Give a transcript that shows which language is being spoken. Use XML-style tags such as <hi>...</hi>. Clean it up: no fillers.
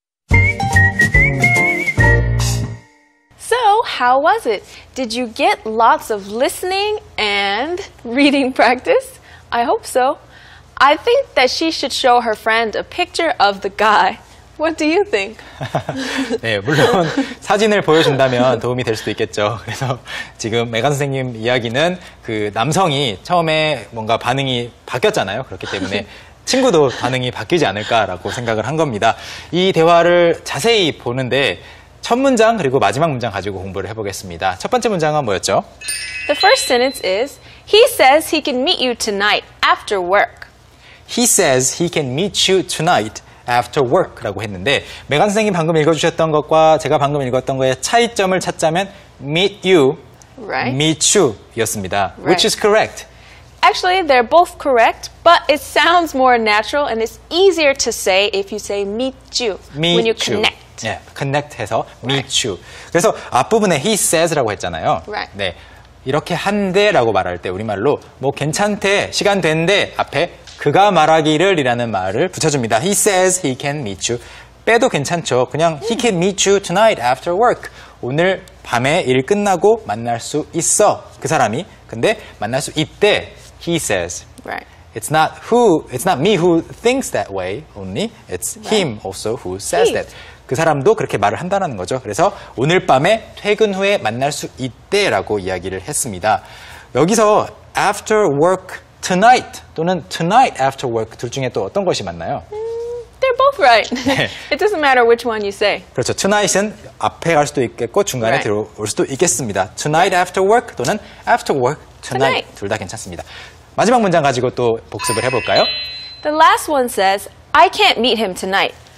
<en>So, how was it? Did you get lots of listening and reading practice? I hope so. I think that she should show her friend a picture of the guy. What do you think?</en> <ko>네, 물론 사진을 보여준다면 도움이 될 수도 있겠죠. 그래서 지금 메간 선생님 이야기는 그 남성이 처음에 뭔가 반응이 바뀌었잖아요. 그렇기 때문에 친구도 반응이 바뀌지 않을까라고 생각을 한 겁니다. 이 대화를 자세히 보는데 첫 문장 그리고 마지막 문장 가지고 공부를 해보겠습니다. 첫 번째 문장은 뭐였죠?</ko> <en>The first sentence is, He says he can meet you tonight after work. He says he can meet you tonight. After work</en> <ko>라고 했는데 메간 선생님 방금 읽어주셨던 것과 제가 방금 읽었던 것의 차이점을 찾자면</ko> <en>meet you right? Meet you였습니다. Right. Which is correct? Actually, they're both correct, but it sounds more natural and it's easier to say if you say meet you meet when you, connect.</en> <ko>네, connect해서</ko> <en>meet right. you.</en> <ko>그래서 앞부분에</ko> <en>he says</en> <ko>라고 했잖아요.</ko> <en>Right.</en> <ko>네, 이렇게 한대라고 말할 때 우리말로 뭐 괜찮대, 시간 된대 앞에 그가 말하기를 이라는 말을 붙여줍니다.</ko> <en>He says he can meet you.</en> <ko>빼도 괜찮죠. 그냥</ko> <en>he can meet you tonight after work.</en> <ko>오늘 밤에 일 끝나고 만날 수 있어. 그 사람이. 근데 만날 수 있대.</ko> <en>He says. Right. It's not who, it's not me who thinks that way only. It's right. him also who says he. that.</en> <ko>그 사람도 그렇게 말을 한다는 거죠. 그래서 오늘 밤에 퇴근 후에 만날 수 있대라고 이야기를 했습니다. 여기서</ko> <en>after work tonight</en> <ko>또는</ko> <en>tonight after work</en> <ko>둘 중에 또 어떤 것이 맞나요?</ko> <en>They're both right. It doesn't matter which one you say.</en> <ko>그렇죠.</ko> <en>Tonight</en> <ko>은 앞에 갈 수도 있겠고 중간에</ko> <en>right.</en> <ko>들어올 수도 있겠습니다.</ko> <en>Tonight right. after work</en> <ko>또는</ko> <en>after work tonight. tonight.</en> <ko>둘 다 괜찮습니다. 마지막 문장 가지고 또 복습을 해볼까요?</ko> <en>The last one says, I can't meet him tonight.</en>